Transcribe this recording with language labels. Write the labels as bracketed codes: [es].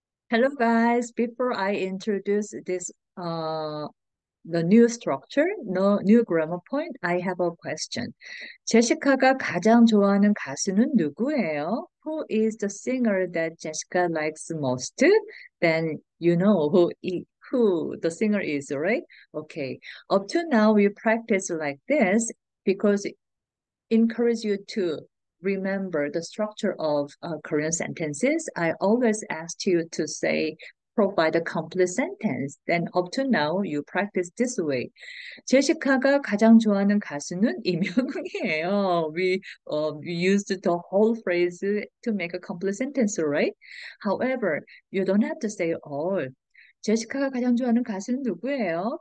[en] Hello guys, before I introduce this the new structure, the new grammar point, I have a question. [ko] 제시카가 가장 좋아하는 가수는 누구예요? [en] Who is the singer that Jessica likes most? Then you know who the singer is, right? Okay. Up to now we practice like this because it encourages you to remember the structure of Korean sentences. I always asked you to say, provide a complete sentence. Then up to now, you practice this way. [ko] 제시카가 가장 좋아하는 가수는 임영웅이에요. [en] We used the whole phrase to make a complete sentence, right? However, you don't have to say all. [ko] 제시카가 가장 좋아하는 가수는 누구예요?